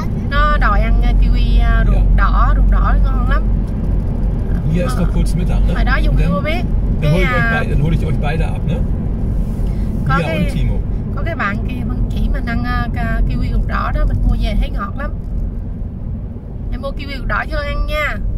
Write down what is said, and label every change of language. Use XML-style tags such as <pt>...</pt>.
<vi>Nó đòi ăn kiwi ruột đỏ ngon lắm.</vi> <de>Hier ist noch kurz Mittag, ne?</de> <vi>Hồi đó Dung Hiu biết.</vi> <de>Dann hole ich euch beide ab, ne?</de> <vi>Có Mia und Timo. Có cái bạn kia mình chỉ mình ăn kiwi ruột đỏ đó, mình mua về thấy ngọt lắm. Em mua kiwi ruột đỏ cho ăn nha.</vi>